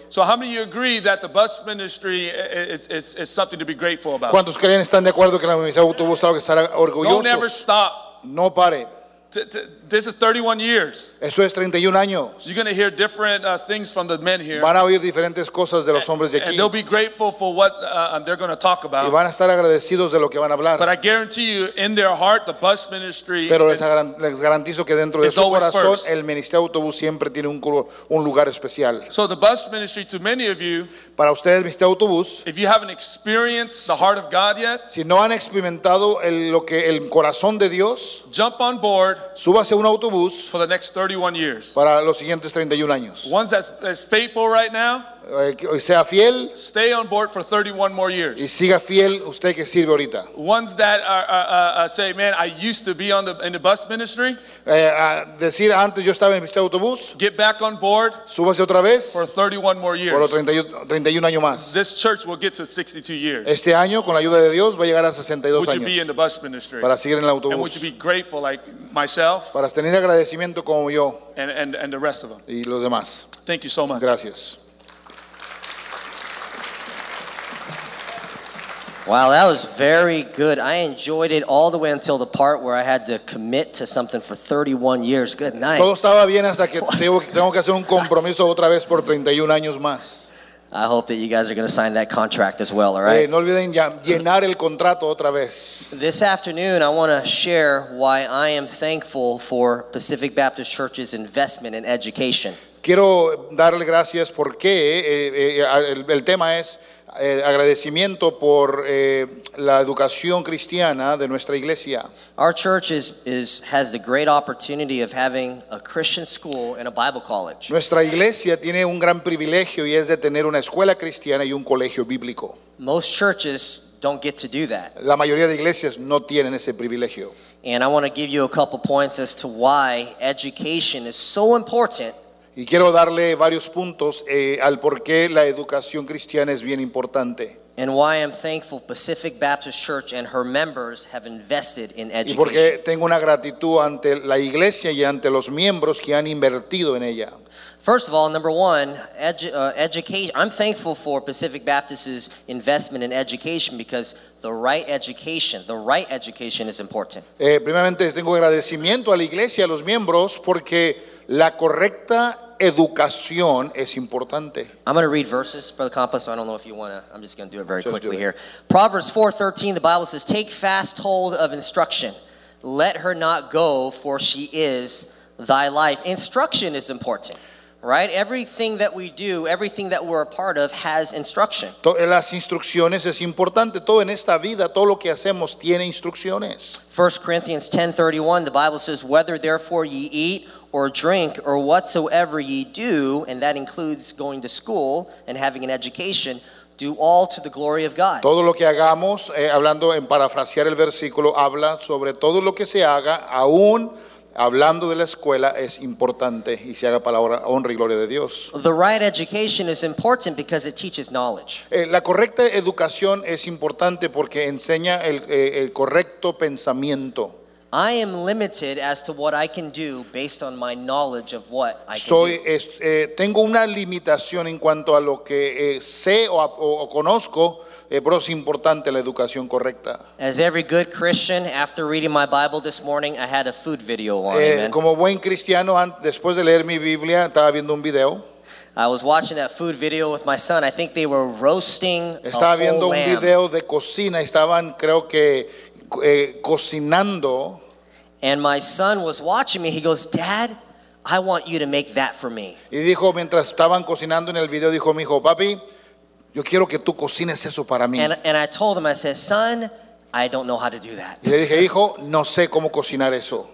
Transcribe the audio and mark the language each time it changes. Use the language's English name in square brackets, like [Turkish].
[English] So how many of you agree that the bus ministry is something to be grateful about? [Spanish] ¿Cuántos creen están de acuerdo que el ministerio de autobús tiene que estar orgullosos? [English] Don't ever stop. [Spanish] No pare. [English] This is 31 years. [Spanish] Eso es 31 años. [English] You're going to hear different things from the men here. [Spanish] Van a oír diferentes cosas de los hombres de aquí. [English] And they'll be grateful for what they're going to talk about. [Spanish] Y van a estar agradecidos de lo que van a hablar. [English] But I guarantee you, in their heart, the bus ministry. [Spanish] Pero les garantizo que dentro de su corazón, el ministerio de autobús siempre tiene un lugar especial. [English] So the bus ministry to many of you. [Spanish] Para ustedes, el ministerio de autobús. [English] If you haven't experienced the heart of God yet. [Spanish] Si no han experimentado el corazón de Dios. [English] Jump on board. [Spanish] Súbase un autobús [English] for the next 31 years. [Spanish] Para los siguientes 31 años. [English] Ones that's faithful right now. [Spanish] Sea fiel. [English] Stay on board for 31 more years. [Spanish] Y siga fiel usted que sirve ahorita. [English] Ones that are say, man, I used to be on the in the bus ministry. [Spanish] Decir antes yo estaba en el autobús. [English] Get back on board. [Spanish] Súbase otra vez. [English] For 31 more years. [Spanish] Por 31 años más. [English] This church will get to 62 years. [Spanish] Este año con la ayuda de Dios va a llegar a 62 [English] would [Spanish] años. [English] Would you be in the bus ministry? [Spanish] Para seguir en el autobús. [English] And would you be grateful like myself? [Spanish] Para tener agradecimiento como yo. [English] And the rest of them. [Spanish] Y los demás. [English] Thank you so much. [Spanish] Gracias. [English] Wow, that was very good. I enjoyed it all the way until the part where I had to commit to something for 31 years. Good night. [Spanish] Todo estaba bien hasta que tengo que hacer un compromiso otra vez por 31 años más. [English] I hope that you guys are going to sign that contract as well, all right? [Spanish] Hey, no olviden llenar el contrato otra vez. [English] This afternoon, I want to share why I am thankful for Pacific Baptist Church's investment in education. [Spanish] Quiero darle gracias porque el tema es agradecimiento por la educación cristiana de nuestra iglesia. [English] Our church has the great opportunity of having a Christian school and a Bible college. [Spanish] Nuestra iglesia tiene un gran privilegio y es de tener una escuela cristiana y un colegio bíblico. [English] Most churches don't get to do that. [Spanish] La mayoría de iglesias no tienen ese privilegio. [English] And I want to give you a couple points as to why education is so important. [Spanish] Y quiero darle varios puntos al por qué la educación cristiana es bien importante. [English] And why I'm thankful Pacific Baptist Church and her members have invested in education. [Spanish] Y porque tengo una gratitud ante la iglesia y ante los miembros que han invertido en ella. [English] First of all, number one, education. I'm thankful for Pacific Baptist's investment in education because the right education is important. [Spanish] Primeramente tengo agradecimiento a la iglesia, a los miembros, porque La correcta educación es importante. [English] I'm going to read verses, Brother Compa, so I don't know if you want to. I'm just going to do it very quickly here. Proverbs 4:13, the Bible says, take fast hold of instruction. Let her not go, for she is thy life. Instruction is important, right? Everything that we do, everything that we're a part of has instruction. [Spanish] Las instrucciones es importante. Todo en esta vida, todo lo que hacemos tiene instrucciones. [English] 1 Corinthians 10:31, the Bible says, whether therefore ye eat or drink or whatsoever ye do, and that includes going to school and having an education, do all to the glory of God. [Spanish] Todo lo que hagamos, hablando en parafrasear el versículo, habla sobre todo lo que se haga, aún hablando de la escuela, es importante y se haga para la honra y gloria de Dios. [English] The right education is important because it teaches knowledge. [Spanish] La correcta educación es importante porque enseña el correcto pensamiento. [English] I am limited as to what I can do based on my knowledge of what I can [Spanish] Tengo una limitación en cuanto a lo que sé o conozco, pero es importante la educación correcta. [English] As every good Christian, after reading my Bible this morning, I had a food video on. [Spanish] Como buen cristiano, después de leer mi Biblia, estaba viendo un video. [English] I was watching that food video with my son. I think they were roasting a whole lamb. [Spanish] Estaba viendo un video de cocina. Estaban, creo que, cocinando. [English] And my son was watching me. He goes, Dad, I want you to make that for me. [Spanish] Y dijo, mientras estaban cocinando en el video, dijo mi hijo, papi, yo quiero que tú cocines eso para mí. [English] And I told him, I said, son, I don't know how to do that. [Spanish] Y le dije, hijo, no sé cómo cocinar eso.